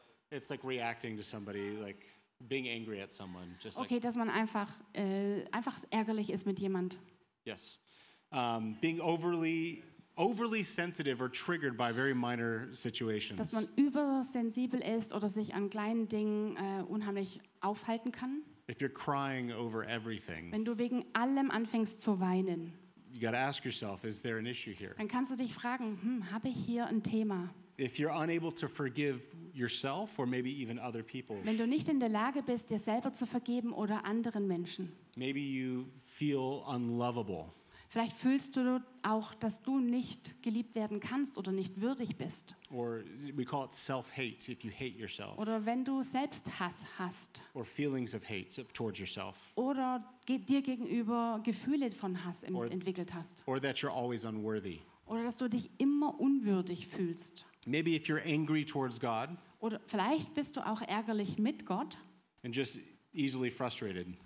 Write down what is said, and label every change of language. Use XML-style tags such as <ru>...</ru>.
<en>It's like reacting to somebody, like being angry at someone. Just okay, like</en> <de>dass man einfach, einfach ärgerlich ist mit jemand.</de> <en>Yes. Being overly sensitive or triggered by very minor situations.</en> <de>Dass man übersensibel ist oder sich an kleinen Dingen unheimlich aufhalten kann.</de> <en>If you're crying over everything.</en> <de>Wenn du wegen allem anfängst zu weinen.</de> <en>You got to ask yourself, is there an issue here?</en> <de>Dann kannst du dich fragen, habe ich hier ein Thema?</de> <en>If you're unable to forgive yourself or maybe even other people.</en> <de>Wenn du nicht in der Lage bist, dir selber zu vergeben oder anderen Menschen.</de> <en>Maybe you feel unlovable.</en> <de>Vielleicht fühlst du auch, dass du nicht geliebt werden kannst oder nicht würdig bist.</de> <en>Or we call it self-hate if you hate yourself.</en> <de>Oder wenn du Selbsthass hast.</de> <en>Or feelings of hate towards yourself.</en> <de>Oder dir gegenüber Gefühle von Hass entwickelt hast.</de> <en>Or that you're always unworthy.</en> <de>Oder dass du dich immer unwürdig fühlst.</de> <en>Maybe if you're angry towards God.</en> <de>Oder vielleicht bist du auch ärgerlich mit Gott.</de> <en>And just easily frustrated.</en>